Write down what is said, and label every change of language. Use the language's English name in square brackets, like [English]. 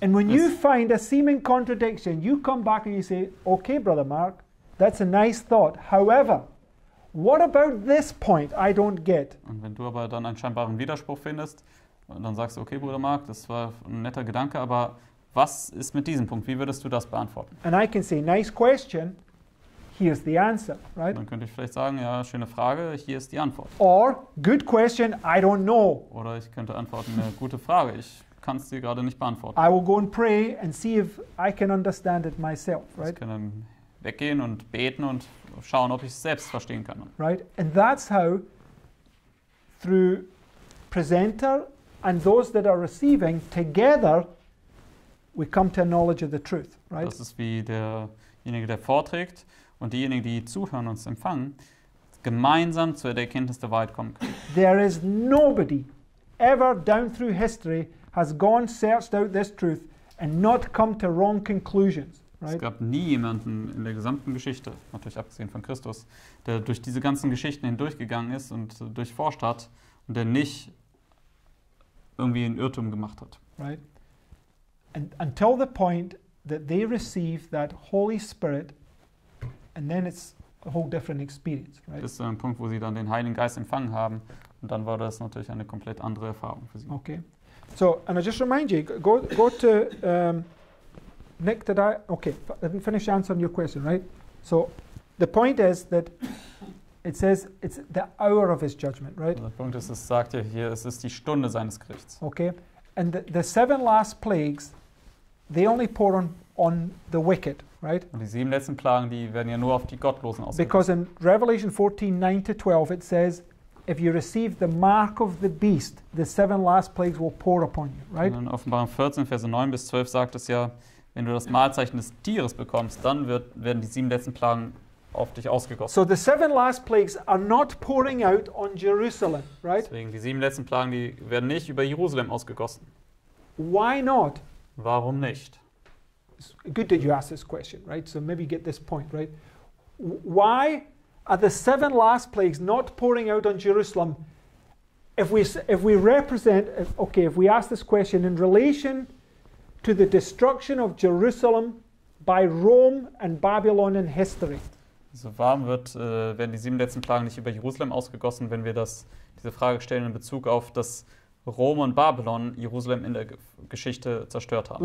[English] And when you find a seeming contradiction, you come back and you say, okay, Brother Mark, that's a nice thought. However, what about this point I don't get? [German] Und wenn du aber dann einen scheinbaren Widerspruch findest, dann sagst du, okay, Bruder Mark, das war ein netter Gedanke, aber was ist mit diesem Punkt? Wie würdest du das beantworten? [English] And I can say, nice question. Here's the answer, right? [German] Dann könnte ich vielleicht sagen, ja, schöne Frage, hier ist die Antwort. [English] Or, good question, I don't know. [German] Oder ich könnte antworten, eine gute Frage, ich kann es dir gerade nicht beantworten. [English] I will go and pray and see if I can understand it myself, right? [German] Ich kann dann weggehen und beten und schauen, ob ich es selbst verstehen kann. [English] Right? And that's how, through presenter and those that are receiving, together, we come to a knowledge of the truth, right? [German] Das ist wie derjenige, der vorträgt, und diejenigen, die zuhören und uns empfangen, gemeinsam zu der Erkenntnis der Wahrheit kommen können. [English] There is nobody ever down through history has gone searched out this truth and not come to wrong conclusions. Right? [German] Es gab nie jemanden in der gesamten Geschichte, natürlich abgesehen von Christus, der durch diese ganzen Geschichten hindurchgegangen ist und durchforscht hat und der nicht irgendwie einen Irrtum gemacht hat. [English] Right. And until the point that they receive that Holy Spirit. And then it's a whole different experience, right? [German] Bis zu einem Punkt, wo sie dann den Heiligen Geist empfangen haben, und dann war das natürlich eine komplett andere Erfahrung für sie. [English] Okay. So, and I just remind you, go to Nick. Did I? Okay. Didn't finish answering your question, right? So, the point is that it says it's the hour of His judgment, right? [German] Der Punkt ist, es sagt ja hier, es ist die Stunde seines Gerichts. [English] Okay. And the seven last plagues, they only pour on the wicked. Right? [German] Und die sieben letzten Plagen, die werden ja nur auf die Gottlosen ausgeübt. [English] Because in Revelation 14, 9-12, it says, if you receive the mark of the beast, the seven last plagues will pour upon you. Right? [German] Und in Offenbarung 14, Verse 9-12 sagt es ja, wenn du das Malzeichen des Tieres bekommst, dann werden die sieben letzten Plagen auf dich ausgegossen. [English] So the seven last plagues are not pouring out on Jerusalem, right? [German] Deswegen, die sieben letzten Plagen, die werden nicht über Jerusalem ausgegossen. [English] Why not? [German] Warum nicht? [English] It's good that you asked this question, right? So maybe get this point, right? Why are the seven last plagues not pouring out on Jerusalem? If we ask this question in relation to the destruction of Jerusalem by Rome and Babylon in history. [German] So warm wird, werden die sieben letzten Plagen nicht über Jerusalem ausgegossen, wenn wir diese Frage stellen in Bezug auf das Rom und Babylon Jerusalem in der Geschichte zerstört haben.